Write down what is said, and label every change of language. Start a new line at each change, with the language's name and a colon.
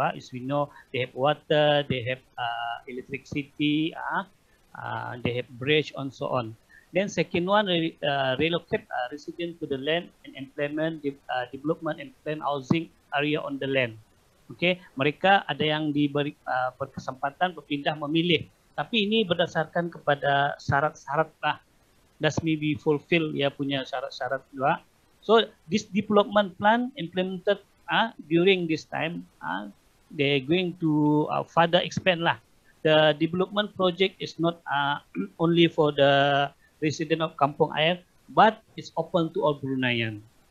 English: As we know, they have water, they have electricity, they have bridge and so on. Then second one, relocate resident to the land and employment, development and plan housing area on the land.
Malay: Okay, mereka ada yang diberi berkesempatan berpindah memilih. Tapi ini berdasarkan kepada syarat-syarat lah.
English: Does me be fulfill
Malay: ya punya syarat-syarat juga.
English: So this development plan implemented during this time, they going to further expand lah. The development project is not only for the resident of Kampung Ayer, but it's open to all Bruneian.